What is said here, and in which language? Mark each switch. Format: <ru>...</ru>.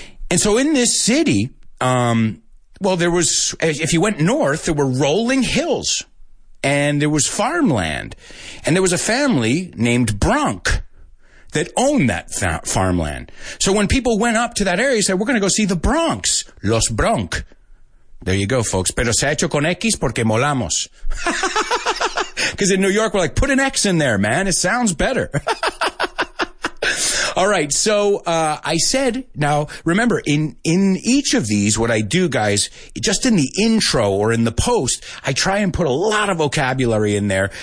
<en>And so in this city, there was, if you went north, there were rolling hills. And there was farmland. And there was a family named Bronk that owned that farmland. So when people went up to that area, they said, we're going to go see the Bronx, Los Bronx. There you go, folks.</en> <es>Pero se ha hecho con X porque molamos.</es> <en>Because in New York, we're like, put an X in there, man. It sounds better. All right. So I said, now, remember, in each of these, what I do, guys, just in the intro or in the post, I try and put a lot of vocabulary in there.</en>